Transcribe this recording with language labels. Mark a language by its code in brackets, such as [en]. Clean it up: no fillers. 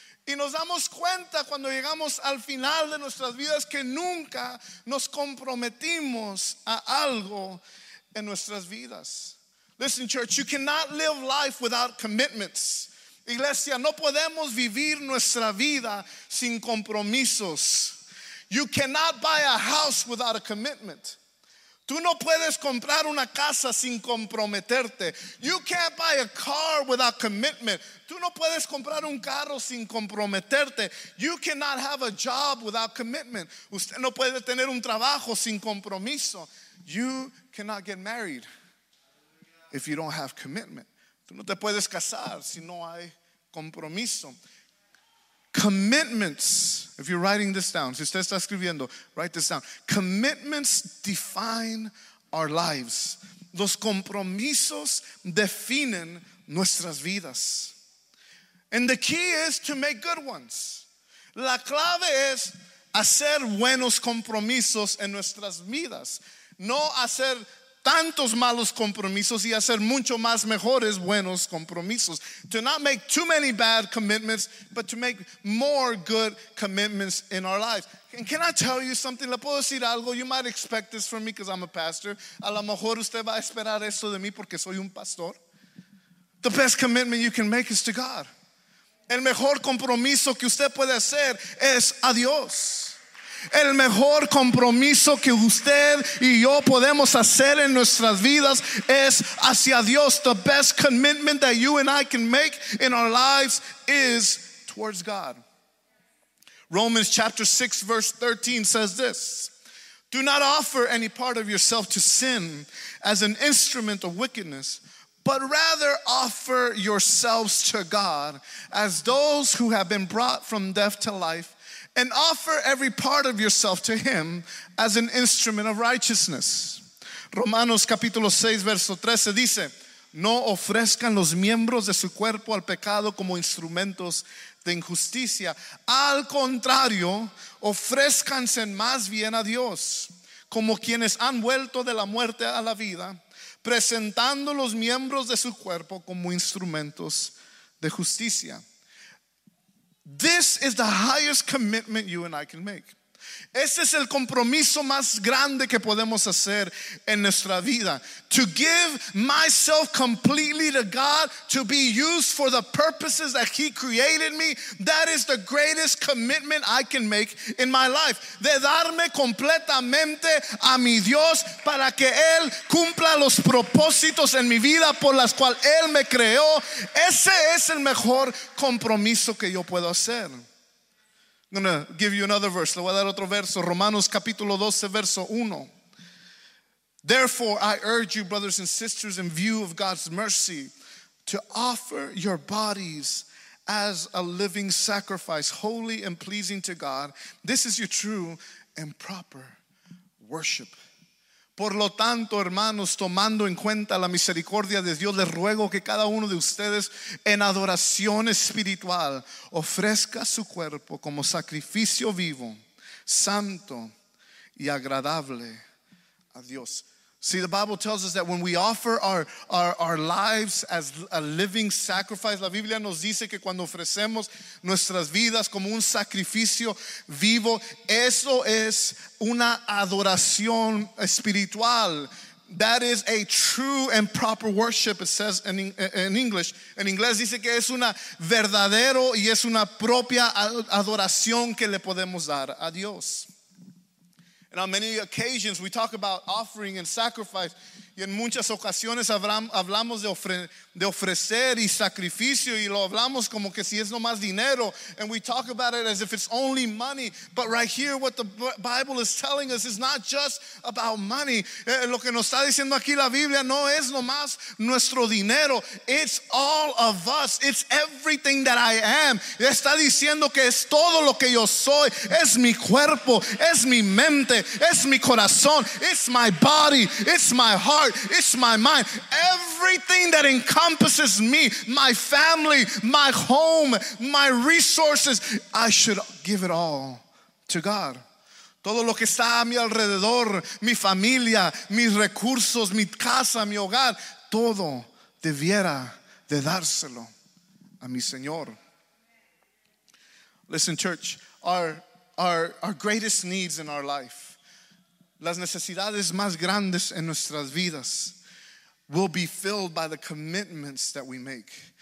[es] Y nos damos cuenta cuando llegamos al final de nuestras vidas que nunca nos comprometimos a algo en nuestras vidas. [en] Listen, church, you cannot live life without commitments. [es] Iglesia, no podemos vivir nuestra vida sin compromisos. [en] You cannot buy a house without a commitment. [es] Tú no puedes comprar una casa sin comprometerte. [en] You can't buy a car without commitment. [es] Tú no puedes comprar un carro sin comprometerte. [en] You cannot have a job without commitment. [es] Usted no puede tener un trabajo sin compromiso. [en] You cannot get married if you don't have commitment. [es] Tú no te puedes casar si no hay compromiso. [en] Commitments, if you're writing this down, [es] si usted está escribiendo, [en] write this down. Commitments define our lives. [es] Los compromisos definen nuestras vidas. [en] And the key is to make good ones. [es] La clave es hacer buenos compromisos en nuestras vidas, no hacer tantos malos compromisos y hacer mucho más mejores buenos compromisos. [en] To not make too many bad commitments, but to make more good commitments in our lives. And can I tell you something? [es] ¿Le puedo decir algo? [en] You might expect this from me because I'm a pastor. [es] A lo mejor usted va a esperar esto de mí porque soy un pastor. [en] The best commitment you can make is to God. [es] El mejor compromiso que usted puede hacer es a Dios. El mejor compromiso que usted y yo podemos hacer en nuestras vidas es hacia Dios. [en] The best commitment that you and I can make in our lives is towards God. Romans chapter 6 verse 13 says this: Do not offer any part of yourself to sin as an instrument of wickedness, but rather offer yourselves to God as those who have been brought from death to life, and offer every part of yourself to him as an instrument of righteousness. [es] Romanos capítulo 6 verso 13 dice: No ofrezcan los miembros de su cuerpo al pecado como instrumentos de injusticia. Al contrario, ofrézcanse más bien a Dios como quienes han vuelto de la muerte a la vida, presentando los miembros de su cuerpo como instrumentos de justicia. [en] This is the highest commitment you and I can make. [es] Este es el compromiso más grande que podemos hacer en nuestra vida. [en] To give myself completely to God, to be used for the purposes that he created me, that is the greatest commitment I can make in my life. [es] De darme completamente a mi Dios para que Él cumpla los propósitos en mi vida por las cuales Él me creó. Ese es el mejor compromiso que yo puedo hacer. [en] I'm going to give you another verse. [es] Le voy a dar otro verso. Romanos capítulo 12, verso 1. [en] Therefore, I urge you, brothers and sisters, in view of God's mercy, to offer your bodies as a living sacrifice, holy and pleasing to God. This is your true and proper worship. [es] Por lo tanto, hermanos, tomando en cuenta la misericordia de Dios, les ruego que cada uno de ustedes en adoración espiritual ofrezca su cuerpo como sacrificio vivo, santo y agradable a Dios. [en] See, the Bible tells us that when we offer our lives as a living sacrifice, [es] la Biblia nos dice que cuando ofrecemos nuestras vidas como un sacrificio vivo, eso es una adoración espiritual. [en] That is a true and proper worship, it says in English. [es] En inglés dice que es una verdadero y es una propia adoración que le podemos dar a Dios. [en] And on many occasions we talk about offering and sacrifice. [es] Y en muchas ocasiones hablamos de ofrecer y sacrificio, y lo hablamos como que si es nomás dinero. [en] And we talk about it as if it's only money. But right here, what the Bible is telling us is not just about money. [es] Lo que nos está diciendo aquí la Biblia no es nomás nuestro dinero. [en] It's all of us. It's everything that I am. [es] Está diciendo que es todo lo que yo soy. Es mi cuerpo. Es mi mente. Es mi corazón. [en] It's my body. It's my heart. It's my mind. Everything that encompasses me, my family, my home, my resources, I should give it all to God. [es] Todo lo que está a mi alrededor, mi familia, mis recursos, mi casa, mi hogar, todo debiera de dárselo a mi Señor. [en] Listen, church, our greatest needs in our life, [es] las necesidades más grandes en nuestras vidas, [en] will be filled by the commitments that we make.